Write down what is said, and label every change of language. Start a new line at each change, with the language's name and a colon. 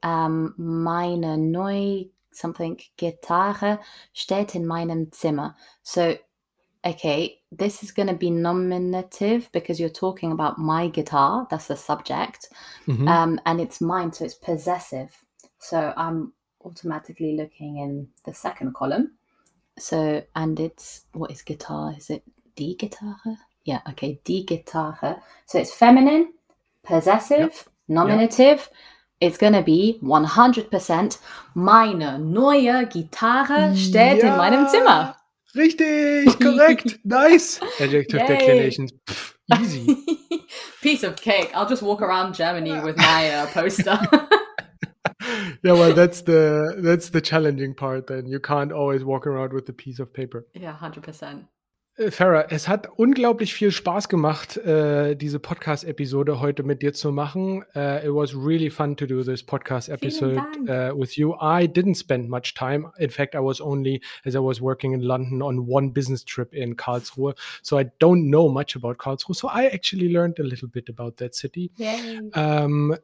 German: Meine neue something Gitarre steht in meinem Zimmer.
English: So, okay, this is going to be nominative because you're talking about my guitar. That's the subject. Mm-hmm. And it's mine, so it's possessive. So I'm automatically looking in the second column. So, and it's, what is guitar? Is it die Gitarre? Yeah, okay, die Gitarre. So it's feminine, possessive, yep. nominative. Yep. It's going to be 100%
German: meine neue Gitarre steht in meinem Zimmer.
English: Richtig, correct, nice. Adjective declinations, easy. Piece of cake. I'll just walk around Germany with my poster. Yeah, well, that's the challenging part then. You can't always walk around with a piece of paper. Yeah, 100%.
German: Farah, es hat unglaublich viel Spaß gemacht, diese Podcast-Episode heute mit dir zu machen.
English: It was really fun to do this podcast episode with you. I didn't spend much time. In fact, I was only, as I was working in London, on one business trip in Karlsruhe. So I don't know much about Karlsruhe. So I actually learned a little bit about that city. Yay.